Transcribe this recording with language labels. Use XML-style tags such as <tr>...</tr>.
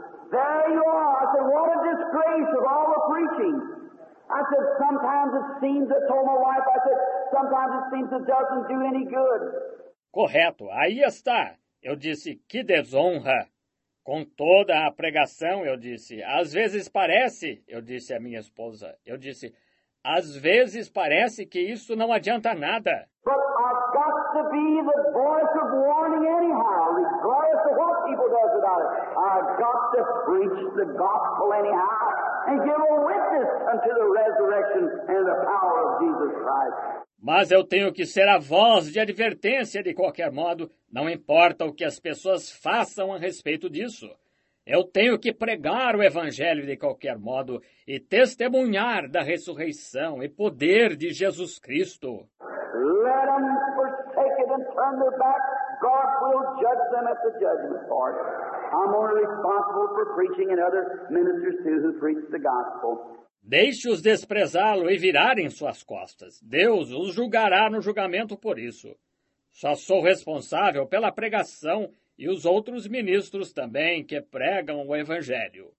<en>There you are. I said, what a disgrace of all the preaching. I said, sometimes it seems, I told my wife, I said, sometimes it seems it doesn't do any good.</en> <pt>Correto, aí está. Eu disse, que desonra. Com toda a pregação, eu disse, às vezes parece, eu disse à minha esposa, eu disse, às vezes parece que isso não adianta nada.</pt> <en>But I've got to be the voice of warning anyhow, regardless of what people does about it. I've got to preach the gospel anyhow and give a witness unto the resurrection and the power of Jesus Christ.</en> <pt>Mas eu tenho que ser a voz de advertência de qualquer modo, não importa o que as pessoas façam a respeito disso. Eu tenho que pregar o evangelho de qualquer modo e testemunhar da ressurreição e poder de Jesus Cristo.</pt> <en>Let them forsake it and turn their back. God will judge them at the judgment part. I'm only responsible for preaching and other ministers too who preach the gospel.</en> <pt>Deixe-os desprezá-lo e virarem suas costas. Deus os julgará no julgamento por isso. Só sou responsável pela pregação e os outros ministros também que pregam o evangelho.</pt>